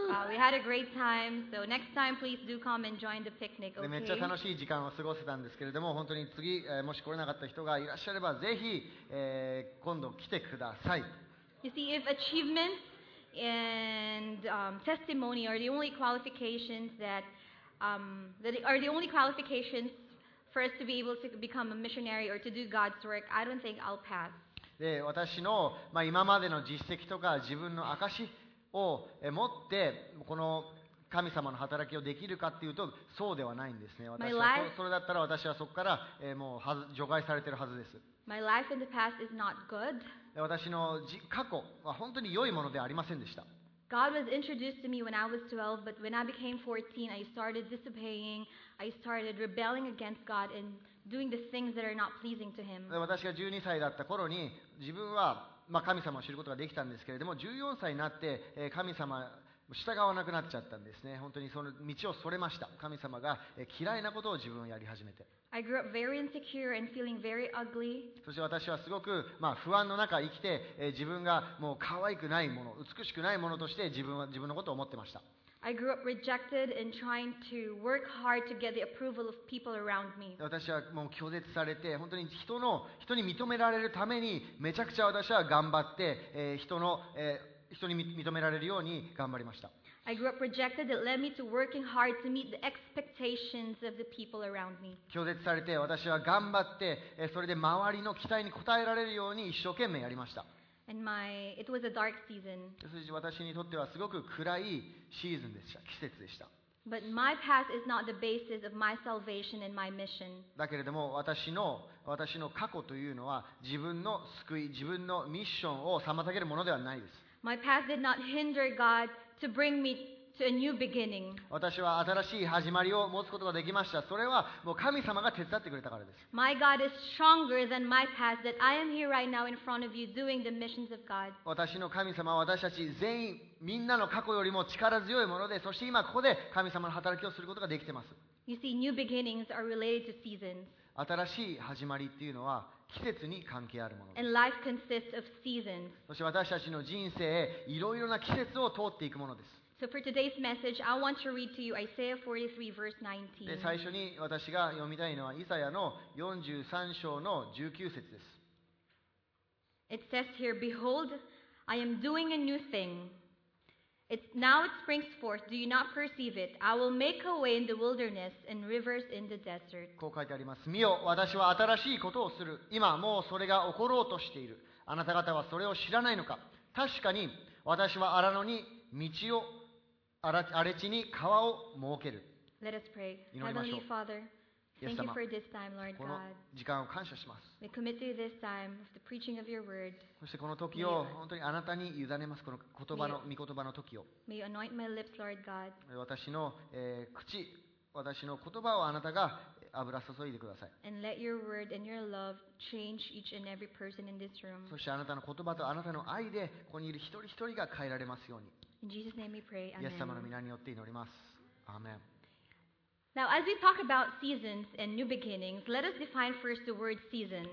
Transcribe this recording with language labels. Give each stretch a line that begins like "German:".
English: We had a great time, so next time please do come and join the picnic, okay?
Japanese: めっちゃ楽しい時間を過ごせたんですけれども、本当に次、もし来れなかった人がいらっしゃれば、ぜひ、今度来てください。
English: You see, if achievement and testimony are the only qualifications that, are the only qualifications for us to be able to become a missionary or to do God's work, I don't think I'll pass.
Japanese: で、私の、まあ、今までの実績とか自分の証を持ってこの神様の働きをできるかっていうとそうではないんですね。私はそれだったら私はそこからもう除外されてるはずです。
English: My life in the past is not good.
Japanese: 私の過去は本当に良いものではありませんでした。
English: God was introduced to me when I was 12, but when I became 14, I started disobeying, I started rebelling against God and doing the things that are not pleasing to Him.
Japanese: 私が12歳だった頃に自分はまあ、神様を知ることができたんですけれども、14歳になって神様を従わなくなっちゃったんですね。本当にその道をそれました。神様が嫌いなことを自分をやり始めて。
English: I grew up very insecure and feeling very ugly.
Japanese: そして私はすごく、まあ、不安の中生きて、自分がもう可愛くないもの、美しくないものとして自分のことを思ってました。
English: I grew up rejected and trying to work hard to get the approval of people around me.
Japanese: 私はもう拒絶されて、本当に人に認められるためにめちゃくちゃ私は頑張って、人に認められるように頑張りました。
English: I grew up rejected. It led me to working hard to meet the expectations of the people around me.
Japanese: 拒絶されて、私は頑張って、それで周りの期待に応えられるように一生懸命やりました。
English: And it was a dark season.
Japanese: 私にとってはすごく暗いシーズンでした。季節でした。
English: But my past is not the basis of my salvation and my mission.
Japanese: だけれども私の過去というのは自分の救い、自分のミッションを妨げるものではないです。
English: My past did not hinder God to bring me to a new beginning.
Japanese: 私は新しい始まりを持つことができました。それはもう神様が手伝ってくれたからです。
English: My God is stronger than my past that I am here right now in front of you doing the missions of God.
Japanese: 私の神様は私たち全員みんなの過去よりも力強いもので、そして今ここで神様の働きをすることができています。
English: You see, new beginnings are related to seasons.
Japanese: 新しい始まりっていうのは季節に関係あるものです。
English: And life consists of seasons.
Japanese: そして私たちの人生へいろいろな季節を通っていくものです。
English: So for today's message, I want to read to you Isaiah 43 verse 19.
Japanese: で、最初に私が読みたいのはイザヤの43章の19節です。
English: It says here, Behold, I am doing a new thing. Now it springs forth. Do you not perceive it? I will make a way in the wilderness and rivers in the desert.
Japanese: こう書いてあります。見よ、私は新しいことをする。今もうそれが起ころうとしている。あなた方はそれを知らないのか。確かに私は荒野に道を荒れ地に川を設ける。
English: Let us pray.
Japanese: 祈りましょう。
English: Heavenly Father, thank you for this time, Lord God.
Japanese: この時間を感謝します。
English: We commit to you this time with the preaching of your word.
Japanese: そしてこの時を本当にあなたに委ねます。この言葉の御言葉の時を。
English: May you anoint my lips, Lord God.
Japanese: 私の、口、私の言葉をあなたが油注いでください。
English: And let your word and your love change each and every person in this room.
Japanese: そしてあなたの言葉とあなたの愛でここにいる一人一人が変えられますように。
English: In Jesus' name we pray. Amen.
Japanese: イエス様の御名によって祈ります。アーメン。
English: Now, as we talk about seasons and new beginnings, let us define first the word season.